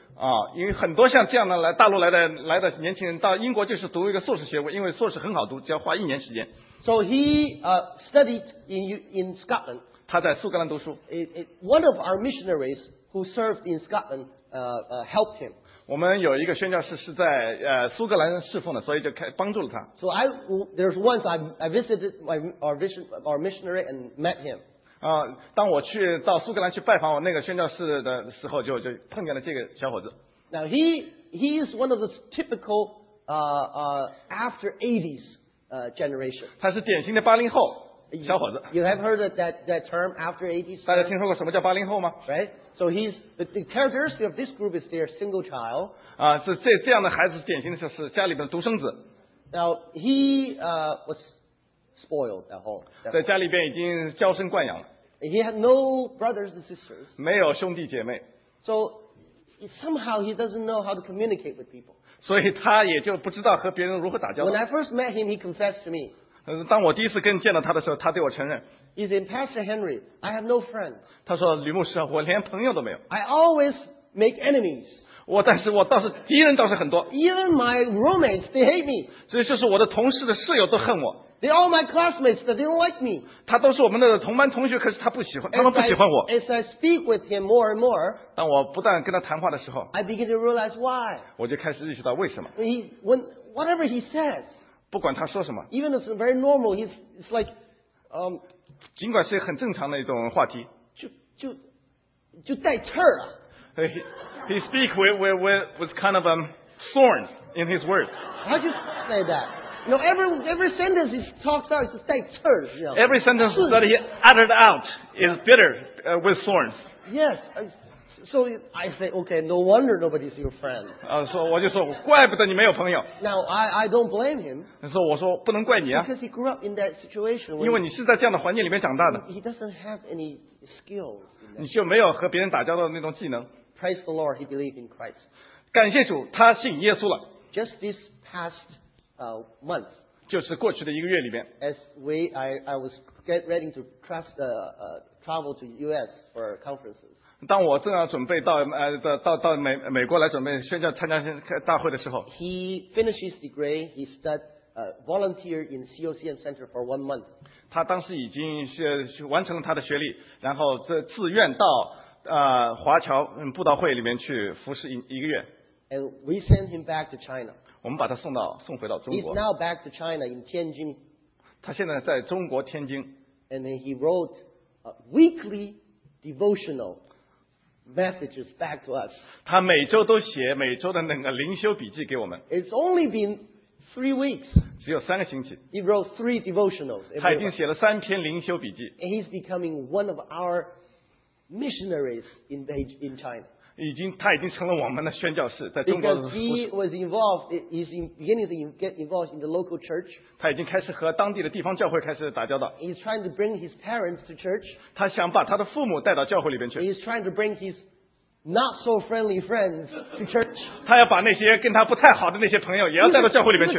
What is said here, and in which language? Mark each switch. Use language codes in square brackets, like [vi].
[zh] 啊，因为很多像这样的来大陆来的年轻人到英国就是读一个硕士学位，因为硕士很好读，只要花一年时间。 [en] So he studied in Scotland. [zh] 他在苏格兰读书。 [en] One of our missionaries who served in Scotland helped him. [zh] 我们有一个宣教士是在苏格兰侍奉的，所以就帮助了他。 [en] So there's once I visited our missionary and met him. [zh] 啊，当我去到苏格兰去拜访我那个宣教士的时候，就碰见了这个小伙子。 [en] Now he is one of the typical after 80s generation. [zh] 他是典型的八零后小伙子。 [en] You have heard that term after 80s? [zh] 大家听说过什么叫八零后吗 [en] ？Right. So the characteristic of this group is they're single child. [zh] 啊，是这样的孩子，典型的是家里边独生子。 [en] Now he was. Spoiled at home. [zh] 在家里边已经娇生惯养了。 [en] He had no brothers and sisters. [zh] 没有兄弟姐妹。 [en] So somehow he doesn't know how to communicate with people. [zh] 所以他也就不知道和别人如何打交道。 [en] When I first met him, he confessed to me. [zh] 当我第一次跟见到他的时候，他对我承认。 [en] He said, Pastor Henry, I have no friends. [zh] 他说，吕牧师，我连朋友都没有。 [en] I always make enemies. [zh] 但是我倒是敌人倒是很多。 [en] Even my roommates, they hate me. [zh] 所以就是我的同事的室友都恨我。 [en] They're all my classmates, they don't like me. [zh] 他都是我们的同班同学，可是他不喜欢，他们不喜欢我。 [en] As I speak with him more and more, [zh] 当我不断跟他谈话的时候 [en] ，I begin to realize why. [zh] 我就开始意识到为什么。 [en] When whatever he says, [zh] 不管他说什么 [en] ，Even if it's very normal, he's like, [zh] 尽管是很正常的一种话题，就带刺儿啊。 [en] He speaks with kind of thorns in his words. How do you say that? You know, every sentence he talks out is just like thorns. You know? Every sentence that he uttered out is bitter with thorns. Yes. So I say, okay, no wonder nobody's your friend. [zh] So 我就说怪不得你没有朋友。 [en] Now I don't blame him. [zh] 所以我说不能怪你啊。 [en] Because he grew up in that situation. [zh] 因为你是在这样的环境里面长大的。 [en] He doesn't have any skills. [zh] 你就没有和别人打交道的那种技能。 [en] Praise the Lord, he believed in Christ. [zh] 感谢主，他信耶稣了。 [en] Just this past month. [zh] 就是过去的一个月里面。 [en] As I was getting ready to travel to U.S. for conferences. [zh] 当我正要准备到美国来准备宣教参加大会的时候。 [en] He finished his degree. He studied volunteer in COCN Center for 1 month. [zh] 他当时已经完成了他的学历，然后自愿到华侨布道会里面去服侍一个月。 [en] And we sent him back to China. [zh] 我们把他送回到中国。 [en] He's now back to China in Tianjin. [zh] 他现在在中国天津。 [en] And then he wrote a weekly devotional messages back to us. [zh] 他每周都写每周的那个灵修笔记给我们。 [en] It's only been 3 weeks. [zh] 只有三个星期。 [en] He wrote 3 devotionals. [zh] 他已经写了三篇灵修笔记。 [en] And he's becoming one of our missionaries in China. [zh] 他已经成了我们的宣教士，在中国。 [en] Because he was involved, he's beginning to get involved in the local church. [zh] 他已经开始和当地的地方教会开始打交道。 [en] He's trying to bring his parents to church. [zh] 他想把他的父母带到教会里边去。 [en] He's trying to bring his not so friendly friends to church. [zh] 他要把那些跟他不太好的那些朋友也要带到教会里边去。